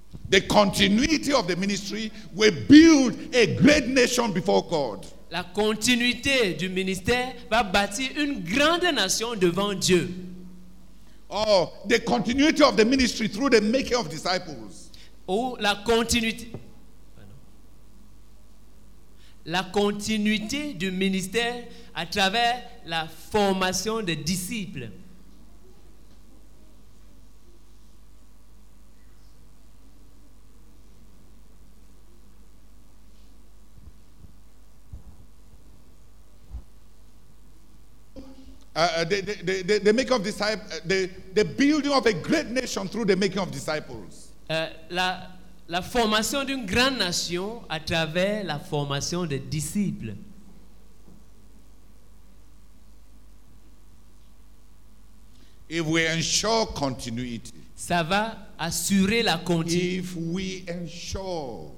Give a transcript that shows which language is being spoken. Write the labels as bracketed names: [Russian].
[English] The continuity of the ministry will build a great nation before God. [French] La continuité du ministère va bâtir une grande nation devant Dieu. [English] Oh, the continuity of the ministry through the making of disciples. [French] Oh, la continuité. La continuité du ministère à travers la formation des disciples. [English] The making of disciples, the building of a great nation through the making of disciples. [French] La formation d'une grande nation à travers la formation des disciples. [English] If we ensure continuity. [French] Ça va assurer la continuité. [English] If we ensure.